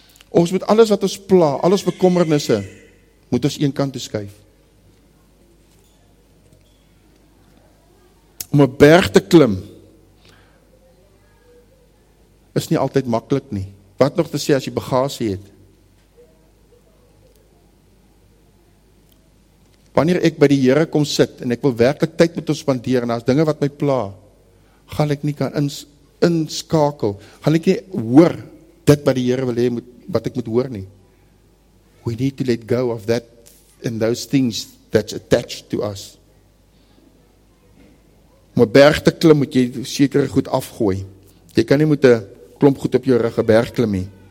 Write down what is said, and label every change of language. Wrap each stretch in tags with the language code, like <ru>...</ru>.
<af>Ons moet alles wat ons pla, alles bekommernisse, moet ons een kant toeskuif. Om 'n berg te klim, is nie altyd maklik nie. Wat nog te sê as jy bagasie het? Wanneer ek by die Here kom sit, en ek wil werklik tyd met ons spandeer, en as dinge wat my pla, gaan ek nie kan inskakel, gaan ek nie hoor dit wat die Here wil hê moet, wat ek moet hoor nie.</af> <en>We need to let go of that and those things that's attached to us.</en> <af>Om 'n berg te klim moet jy sekere goed afgooi. Jy kan nie met 'n klomp goed op jou rug 'n berg klim nie.</af>